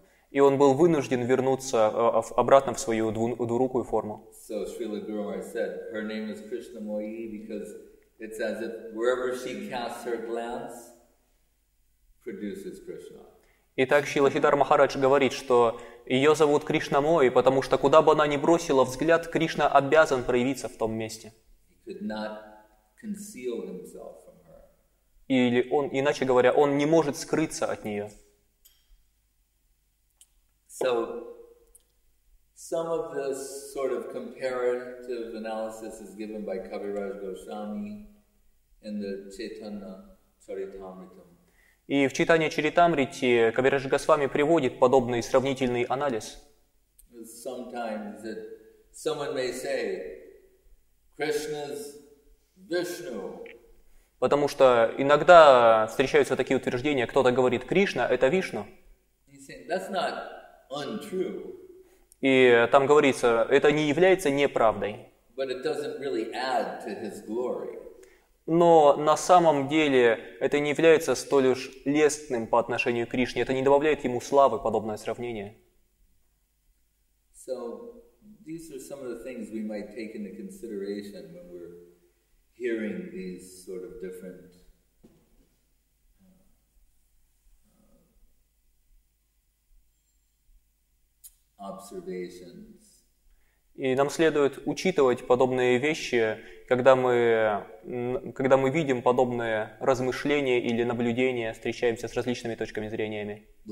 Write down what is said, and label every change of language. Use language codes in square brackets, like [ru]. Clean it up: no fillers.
[ru] И он был вынужден вернуться обратно в свою двурукую форму. [en] So Srila Guru Maharaj said, her name is Krishna Moyi because it's as if wherever she casts her glance, produces Krishna. [ru] Итак, Шрила Сидар Махарадж говорит, что ее зовут Кришна Мои, потому что куда бы она ни бросила взгляд, Кришна обязан проявиться в том месте. [en] He could not conceal himself from her. [ru] Или он, иначе говоря, он не может скрыться от нее. [en] So, some of this sort of comparative analysis is given by Kaviraj Goswami in the Chaitanya Charitamrita. [ru] И в читании Чаритамрити Кавираджа Госвами приводит подобный сравнительный анализ. [en] Say, Krishna's Vishnu. [ru] Потому что иногда встречаются такие утверждения, кто-то говорит, Кришна – это Вишну. [en] That's not untrue. [ru] И там говорится, это не является неправдой. [en] But it doesn't really add to his glory. [ru] Но на самом деле это не является столь уж лестным по отношению к Кришне. Это не добавляет ему славы, подобное сравнение. [en] So, these are some of the things we might take into consideration when we're hearing these sort of different observations. [ru] И нам следует учитывать подобные вещи, когда мы видим подобные размышления или наблюдения, встречаемся с различными точками зрения.